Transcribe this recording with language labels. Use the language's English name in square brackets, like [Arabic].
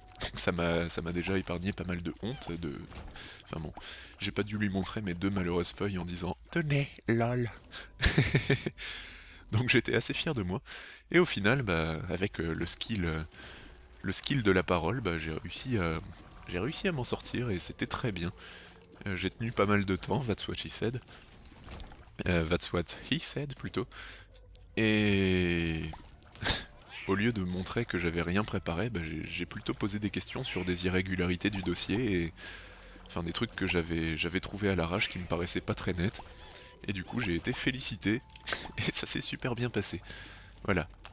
[French] Donc ça m'a déjà épargné pas mal de honte. Enfin bon, j'ai pas dû lui montrer mes deux malheureuses feuilles en disant, tenez, lol. Donc j'étais assez fier de moi. Et au final, bah, avec le skill de la parole, bah, j'ai réussi à m'en sortir et c'était très bien. J'ai tenu pas mal de temps, [English] that's what she said. That's what he said [French] plutôt. Et au lieu de montrer que j'avais rien préparé, bah, j'ai plutôt posé des questions sur des irrégularités du dossier et enfin des trucs que j'avais trouvé à l'arrache qui me paraissaient pas très nets. Et du coup, j'ai été félicité et ça s'est super bien passé. Voilà.